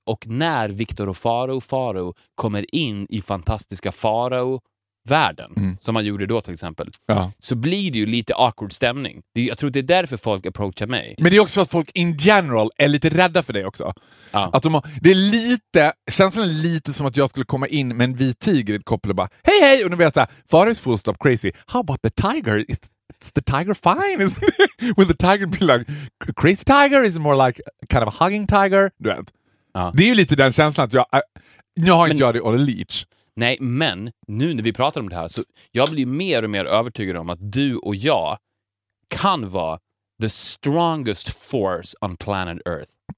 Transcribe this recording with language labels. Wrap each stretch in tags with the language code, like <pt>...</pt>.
<sv>Och när Victor och Faro kommer in i fantastiska Faro-världen, som man gjorde då till exempel, så blir det ju lite awkward stämning. Jag tror det är därför folk approachar mig. Men det är också att folk in general är lite rädda för dig också. Ja. Att det är lite, känns det lite som att jag skulle komma in med en vit tiger i ett koppel och bara, hej hej! Och nu vet jag såhär,</sv> <en>Faro is full stop crazy. How about the tiger? Is the tiger fine? Will the tiger be like crazy tiger? Is it more like kind of a hugging tiger?</en> <sv>Du vet. Det är ju lite den känslan att jag har det</sv> <en>on a leech.</en> <sv>Nej, men nu när vi pratar om det här så jag blir mer och mer övertygad om att du och jag kan vara</sv> <en>the strongest force on planet Earth.</en>